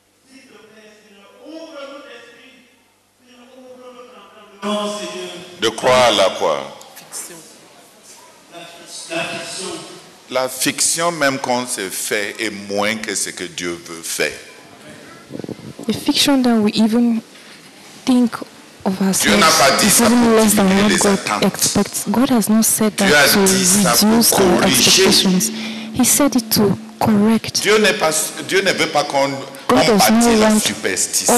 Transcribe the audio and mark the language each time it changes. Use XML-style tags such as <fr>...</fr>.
<fr>S'il te plaît, Seigneur, ouvre notre esprit, Seigneur, ouvre notre entendement, Seigneur. De croire à la quoi? Fiction. La fiction. La fiction même qu'on se fait est moins que ce que Dieu veut faire.</fr> <en>The fiction that we even think of ourselves is even less than what God expects. God has not said that to reduce our expectations. He said it to correct.</en> <fr>Dieu ne veut pas qu'on bâtisse la superstition.</fr>